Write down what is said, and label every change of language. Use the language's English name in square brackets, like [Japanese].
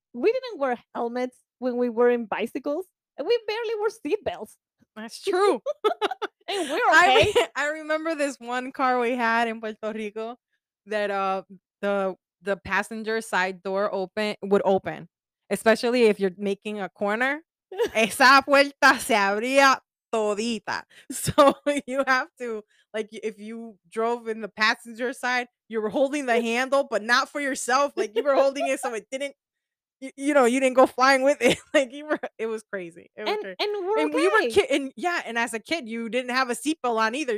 [English] We didn't wear helmets when we were in bicycles, and we barely wore seatbelts. That's true. And we're okay. I remember this one car we had in Puerto Rico that the passenger side door would open, especially if you're making a corner. [Spanish] Esa puerta se abría todita. [English] So you have to, like, if you drove in the passenger side, you were holding the handle, but not for yourself. Like, you were holding it so it didn't, you didn't go flying with it. Like, it was crazy. And we're and okay. We were and as a kid, you didn't have a seatbelt on either.